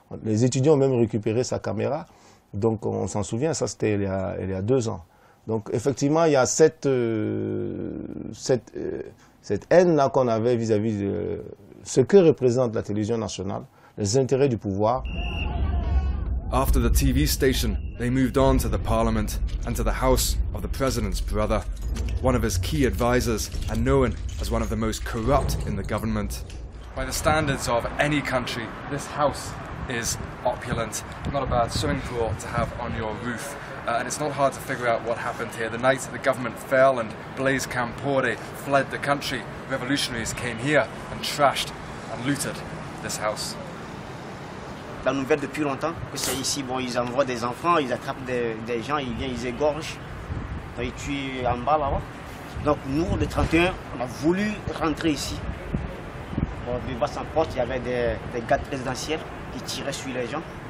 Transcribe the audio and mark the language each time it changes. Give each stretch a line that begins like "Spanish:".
French: Les étudiants ont même récupéré sa caméra. Donc on s'en souvient, ça c'était il y a 2 ans. Donc effectivement, il y a cette haine-là qu'on avait vis-à-vis de ce que représente la télévision nationale, les intérêts du pouvoir.
English: After the TV station, they moved on to the parliament and to the house of the president's brother, one of his key advisors and known as one of the most corrupt in the government. By the standards of any country, this house is opulent. Not a bad swimming pool to have on your roof. And it's not hard to figure out what happened here. The night the government fell and Blaise Campore fled the country, revolutionaries came here and trashed and looted this house.
French: La nouvelle depuis longtemps que c'est ici. Bon, ils envoient des enfants, ils attrapent des gens, ils viennent, ils égorgent, ils tuent en bas là-bas. Donc nous, les 31, on a voulu rentrer ici. Bon, devant sa porte, il y avait des gardes présidentiels qui tiraient sur les gens.